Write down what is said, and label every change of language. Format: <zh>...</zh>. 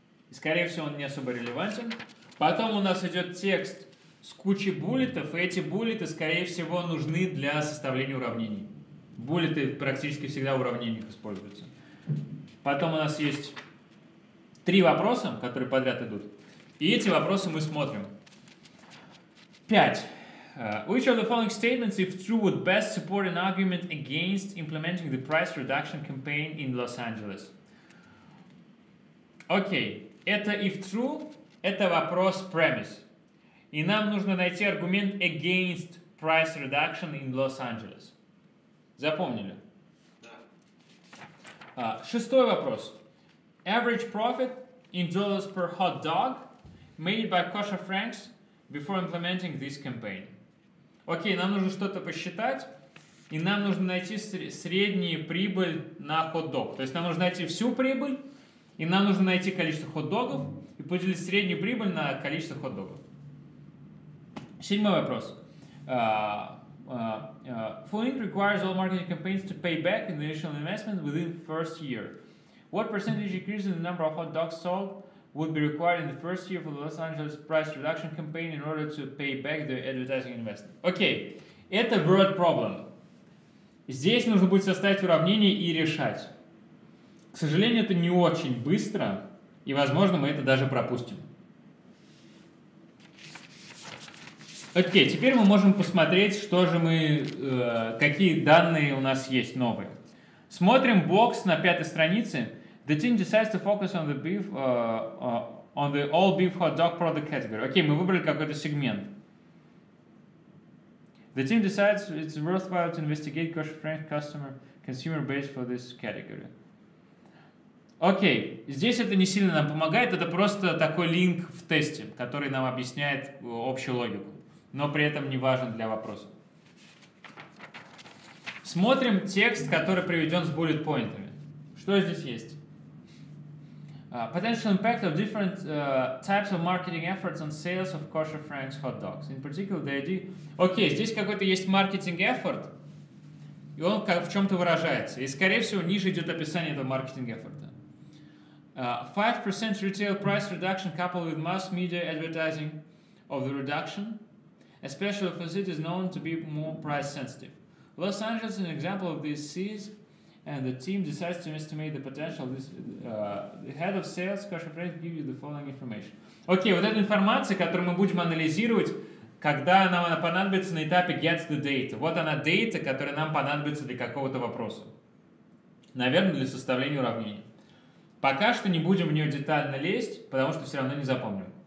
<ru>И, скорее всего, он не особо релевантен. Потом у нас идет текст с кучей буллетов, и эти буллеты, скорее всего, нужны для составления уравнений. Буллеты практически всегда в уравнениях используются. Потом у нас есть три вопроса, которые подряд идут. И эти вопросы мы смотрим. Пять.</ru> <en>Which of the following statements, if true, would best support an argument against implementing the price reduction campaign in Los Angeles?</en> <ru>Окей, это</ru> <en>if true,</en> <ru>это вопрос premise. И нам нужно найти аргумент</ru> <en>against price reduction in Los Angeles.</en> <ru>Запомнили? Да. Шестой вопрос.</ru> <en>Average profit in dollars per hot dog made by kosher franks before implementing this campaign.</en> <ru>Окей, нам нужно что-то посчитать, и нам нужно найти среднюю прибыль на хот-дог. То есть нам нужно найти всю прибыль, и нам нужно найти количество хот-догов, и поделить среднюю прибыль на количество хот-догов. Седьмой вопрос. Full Inc.</ru> <en>requires all marketing campaigns to pay back in the initial investment within first year. What percentage increase in the number of hot dogs sold would be required in the first year for the Los Angeles price reduction campaign in order to pay back the advertising investment.</en> <ru>Окей, это broad problem. Здесь нужно будет составить уравнение и решать. К сожалению, это не очень быстро, и, возможно, мы это даже пропустим. Окей, теперь мы можем посмотреть, что же мы, какие данные у нас есть новые. Смотрим бокс на пятой странице.</ru> <en>The team decides to focus on the beef, on the all beef hot dog product category.</en> <ru>Окей, мы выбрали какой-то сегмент.</ru> <en>The team decides it's worthwhile to investigate kosher franchise customer consumer base for this category.</en> <ru>Окей, здесь это не сильно нам помогает, это просто такой линк в тесте, который нам объясняет общую логику, но при этом не важен для вопроса. Смотрим текст, который приведен с bullet point'ами. Что здесь есть?</ru> <en>Potential impact of different types of marketing efforts on sales of kosher franchise hot dogs. In particular, the idea...</en> <ru>Окей, здесь какой-то есть marketing effort, и он как, в чем-то выражается. И, скорее всего, ниже идет описание этого marketing effort'а.</ru> <en>5% retail price reduction coupled with mass media advertising of the reduction, especially for cities known to be more price sensitive. Los Angeles is an example of these cities, and the team decides to estimate the potential. This, the head of sales, kosher franchise, give you the following information.</en> <ru>Окей, вот эта информация, которую мы будем анализировать, когда нам она понадобится на этапе</ru> <en>get the data.</en> <ru>Вот она data, которая нам понадобится для какого-то вопроса. Наверное, для составления уравнения. Пока что не будем в нее детально лезть, потому что все равно не запомним.</ru>